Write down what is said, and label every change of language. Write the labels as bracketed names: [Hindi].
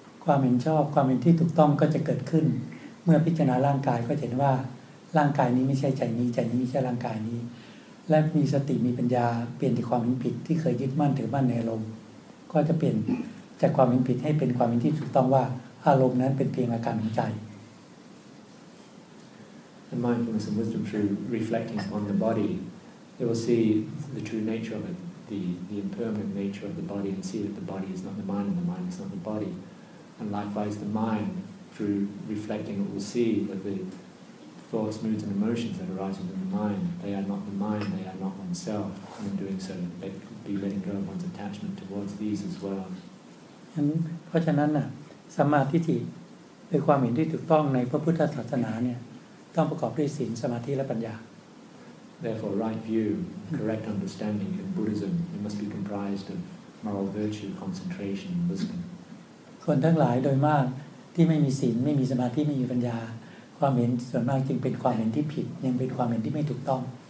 [Thai] ความเห็นชอบความเห็นที่ถูกต้องก็จะเกิดขึ้นเมื่อพิจารณาร่างกายก็เห็นว่าร่างกายนี้ไม่ใช่ใจนี้ใจนี้ไม่ใช่ร่างกายนี้และมีสติมีปัญญาเปลี่ยนจากความเห็นผิดที่เคยยึดมั่นถือมั่นในอารมณ์ก็จะเปลี่ยนจากความเห็นผิดให้เป็นความเห็นที่ถูกต้องว่าอารมณ์นั้นเป็นเพียงอาการของใจ [English] And mindfulness and wisdom through reflecting upon the body they will see the true nature of it the impermanent nature of the body and see that the body is not the mind and the mind is not the body and likewise the mind through reflecting it will see that the thoughts moods and emotions that arise within the mind they are not the mind they are not oneself and in doing so they could be letting go of one's attachment towards these as well [Thai] เพราะฉะนั้นน่ะสัมมาทิฏฐิเป็นความเห็นที่ถูกต้องในพระพุทธศาสนาเนี่ยต้องประกอบด้วยศีลสมาธิและปัญญา [English] Therefore right view correct understanding in Buddhism it must be comprised of moral virtue concentration and wisdom [Thai] คนทั้งหลายโดยมากที่ไม่มีศีลไม่มีสมาธิไม่มีปัญญาความเห็นส่วนมากจึงเป็นความเห็นที่ผิดยังเป็นความเห็นที่ไม่ถูกต้อง